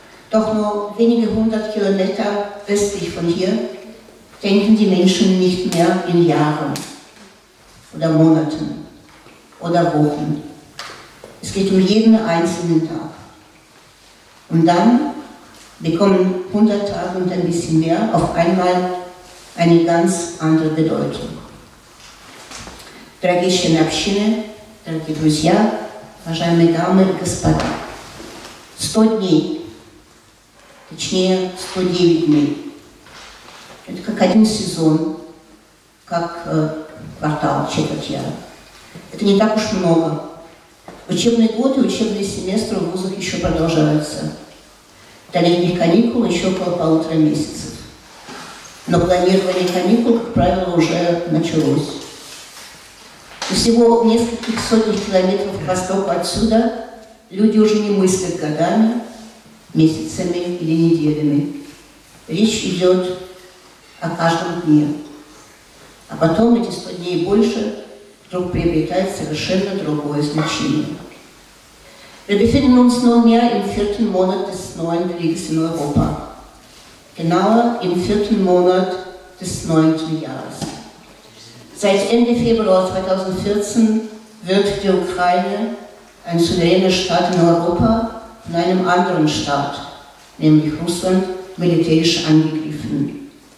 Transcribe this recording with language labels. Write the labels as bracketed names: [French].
[German] Doch nur wenige hundert Kilometer westlich von hier denken die Menschen nicht mehr in Jahren oder Monaten oder Wochen. Es geht um jeden einzelnen Tag. Und dann bekommen 100 Tage und ein bisschen mehr auf einmal eine ganz andere Bedeutung. [Russian] Дорогие члены общины, дорогие друзья, уважаемые дамы и господа, 100 дней, точнее 109 дней, это как один сезон, как квартал, четверть яра. Это не так уж много. Учебный год и учебные семестры в вузах еще продолжаются. До летних каникул еще около полутора месяцев. Но планирование каникул, как правило, уже началось. Всего в нескольких сотнях километров к востоку отсюда люди уже не мыслят годами, месяцами или неделями. Речь идет о каждом дне. А потом эти 100 дней больше вдруг приобретают совершенно другое значение. [German] Wir befinden uns nunmehr im vierten Monat des neuen Krieges in Europa. Genauer im vierten Monat des neunten Jahres. Seit Ende Februar 2014 wird die Ukraine, ein souveräner Staat in Europa, von einem anderen Staat, nämlich Russland, militärisch angegriffen.